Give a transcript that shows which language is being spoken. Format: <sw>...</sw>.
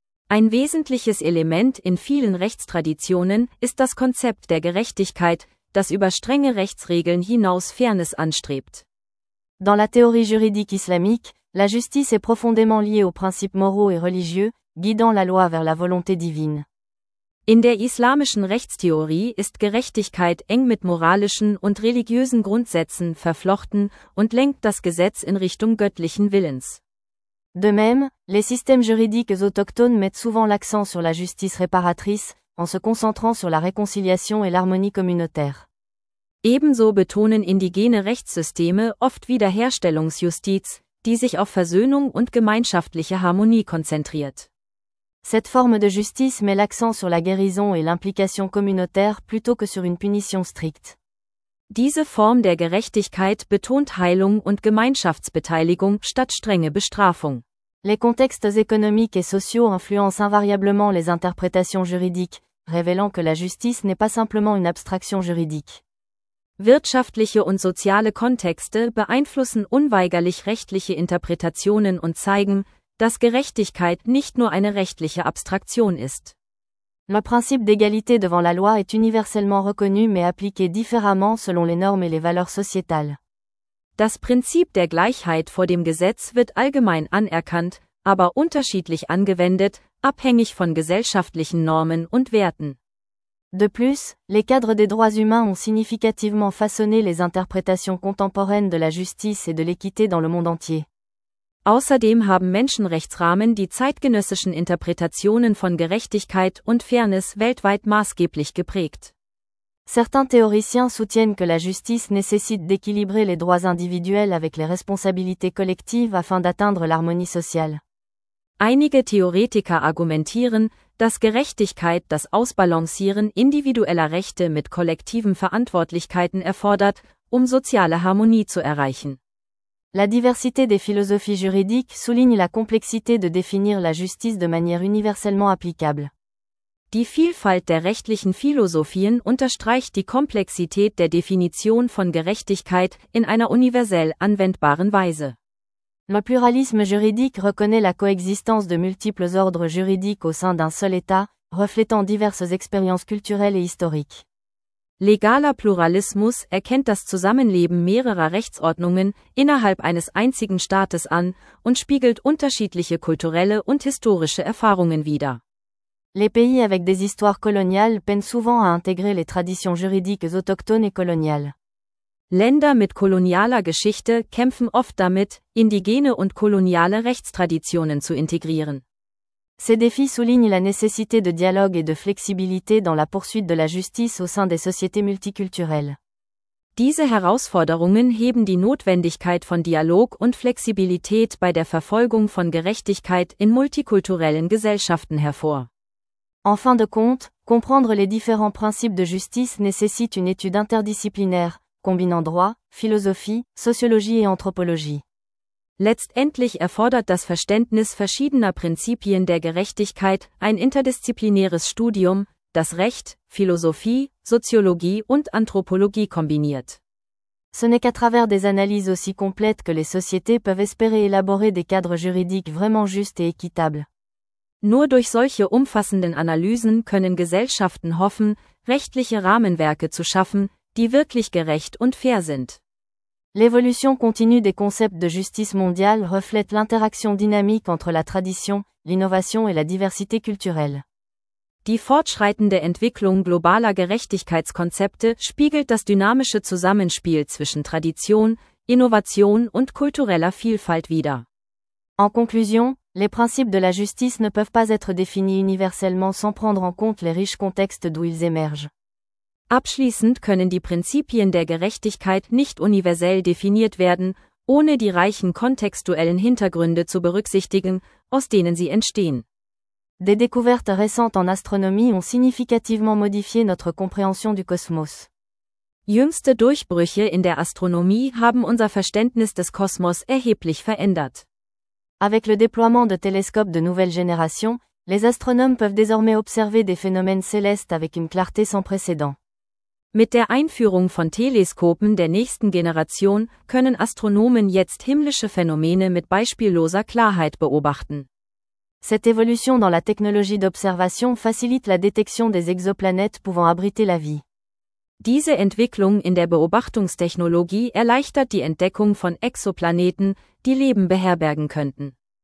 <de>Ein wesentliches Element in vielen Rechtstraditionen ist das Konzept der Gerechtigkeit, das über strenge Rechtsregeln hinaus Fairness anstrebt.</de> <fr>Dans la théorie juridique islamique, la justice est profondément liée aux principes moraux et religieux, guidant la loi vers la volonté divine.</fr> <de>In der islamischen Rechtstheorie ist Gerechtigkeit eng mit moralischen und religiösen Grundsätzen verflochten und lenkt das Gesetz in Richtung göttlichen Willens.</de> <fr>De même, les systèmes juridiques autochtones mettent souvent l'accent sur la justice réparatrice, en se concentrant sur la réconciliation et l'harmonie communautaire.</fr> <de>Ebenso betonen indigene Rechtssysteme oft Wiederherstellungsjustiz, die sich auf Versöhnung und gemeinschaftliche Harmonie konzentriert.</de> <fr>Cette forme de justice met l'accent sur la guérison et l'implication communautaire plutôt que sur une punition stricte.</fr> <de>Diese Form der Gerechtigkeit betont Heilung und Gemeinschaftsbeteiligung statt strenge Bestrafung.</de> <fr>Les contextes économiques et sociaux influencent invariablement les interprétations juridiques, révélant que la justice n'est pas simplement une abstraction juridique.</fr> <de>Wirtschaftliche und soziale Kontexte beeinflussen unweigerlich rechtliche Interpretationen und zeigen, dass Gerechtigkeit nicht nur eine rechtliche Abstraktion ist.</de> <fr>Le principe d'égalité devant la loi est universellement reconnu mais appliqué différemment selon les normes et les valeurs sociétales.</fr> <de>Das Prinzip der Gleichheit vor dem Gesetz wird allgemein anerkannt, aber unterschiedlich angewendet, abhängig von gesellschaftlichen Normen und Werten.</de> <fr>De plus, les cadres des droits humains ont significativement façonné les interprétations contemporaines de la justice et de l'équité dans le monde entier.</fr> <de>Außerdem haben Menschenrechtsrahmen die zeitgenössischen Interpretationen von Gerechtigkeit und Fairness weltweit maßgeblich geprägt.</de> <fr>Certains théoriciens soutiennent que la justice nécessite d'équilibrer les droits individuels avec les responsabilités collectives afin d'atteindre l'harmonie sociale.</fr> <de>Einige Theoretiker argumentieren, dass Gerechtigkeit das Ausbalancieren individueller Rechte mit kollektiven Verantwortlichkeiten erfordert, um soziale Harmonie zu erreichen.</de> <fr>La diversité des philosophies juridiques souligne la complexité de définir la justice de manière universellement applicable.</fr> <de>Die Vielfalt der rechtlichen Philosophien unterstreicht die Komplexität der Definition von Gerechtigkeit in einer universell anwendbaren Weise.</de> <fr>Le pluralisme juridique reconnaît la coexistence de multiples ordres juridiques au sein d'un seul État, reflétant diverses expériences culturelles et historiques.</fr> <de>Legaler Pluralismus erkennt das Zusammenleben mehrerer Rechtsordnungen innerhalb eines einzigen Staates an und spiegelt unterschiedliche kulturelle und historische Erfahrungen wider.</de> <fr>Les pays avec des histoires coloniales peinent souvent à intégrer les traditions juridiques autochtones et coloniales.</fr> <de>Länder mit kolonialer Geschichte kämpfen oft damit, indigene und koloniale Rechtstraditionen zu integrieren.</de> <fr>Ces défis soulignent la nécessité de dialogue et de flexibilité dans la poursuite de la justice au sein des sociétés multiculturelles.</fr> <de>Diese Herausforderungen heben die Notwendigkeit von Dialog und Flexibilität bei der Verfolgung von Gerechtigkeit in multikulturellen Gesellschaften hervor.</de> <fr>En fin de compte, comprendre les différents principes de justice nécessite une étude interdisciplinaire, combinant droit, philosophie, sociologie et anthropologie.</fr> <de>Letztendlich erfordert das Verständnis verschiedener Prinzipien der Gerechtigkeit ein interdisziplinäres Studium, das Recht, Philosophie, Soziologie und Anthropologie kombiniert.</de> <fr>Ce n'est qu'à travers des analyses aussi complètes que les sociétés peuvent espérer élaborer des cadres juridiques vraiment justes et équitables.</fr> <de>Nur durch solche umfassenden Analysen können Gesellschaften hoffen, rechtliche Rahmenwerke zu schaffen, die wirklich gerecht und fair sind.</de> <fr>L'évolution continue des concepts de justice mondiale reflète l'interaction dynamique entre la tradition, l'innovation et la diversité culturelle.</fr> <de>Die fortschreitende Entwicklung globaler Gerechtigkeitskonzepte spiegelt das dynamische Zusammenspiel zwischen Tradition, Innovation und kultureller Vielfalt wider.</de> <fr>En conclusion, les principes de la justice ne peuvent pas être définis universellement sans prendre en compte les riches contextes d'où ils émergent.</fr> <de>Abschließend können die Prinzipien der Gerechtigkeit nicht universell definiert werden, ohne die reichen kontextuellen Hintergründe zu berücksichtigen, aus denen sie entstehen.</de> <fr>Des découvertes récentes en astronomie ont significativement modifié notre compréhension du cosmos.</fr> <de>Jüngste Durchbrüche in der Astronomie haben unser Verständnis des Kosmos erheblich verändert.</de> <fr>Avec le déploiement de télescopes de nouvelle génération, les astronomes peuvent désormais observer des phénomènes célestes avec une clarté sans précédent.</fr> <de>Mit der Einführung von Teleskopen der nächsten Generation können Astronomen jetzt himmlische Phänomene mit beispielloser Klarheit beobachten.</de> <fr>Cette évolution dans la technologie d'observation facilite la détection des exoplanètes pouvant abriter la vie.</fr> <de>Diese Entwicklung in der Beobachtungstechnologie erleichtert die Entdeckung von Exoplaneten, die Leben beherbergen könnten.</de>